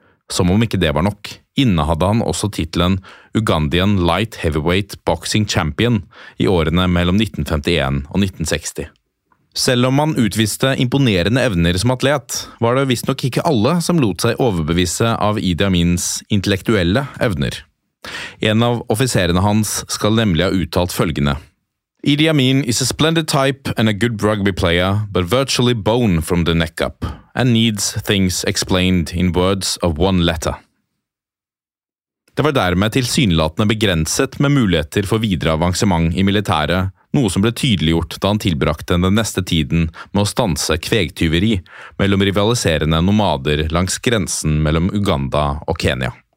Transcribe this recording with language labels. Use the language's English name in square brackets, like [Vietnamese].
[Norwegian] Som om ikke det var nok, innehadde han også tittelen Ugandian Light Heavyweight Boxing Champion i årene mellom 1951 og 1960. Selv om han utviste imponerende evner som atlet, var det visstnok ikke alle som lot seg overbevise av Idi Amins intellektuelle evner. En av offiserene hans skal nemlig ha uttalt følgende. [English] Idi Amin is a splendid type and a good rugby player, but virtually bone from the neck up, and needs things explained in words of one letter. [Norwegian] Det var dermed tilsynelatende begrenset med muligheter for videre avansement i militæret, noe som ble tydeliggjort da han tilbrakte den neste tiden med å stanse kvegtyveri mellom rivaliserende nomader langs grensen mellom Uganda og Kenya.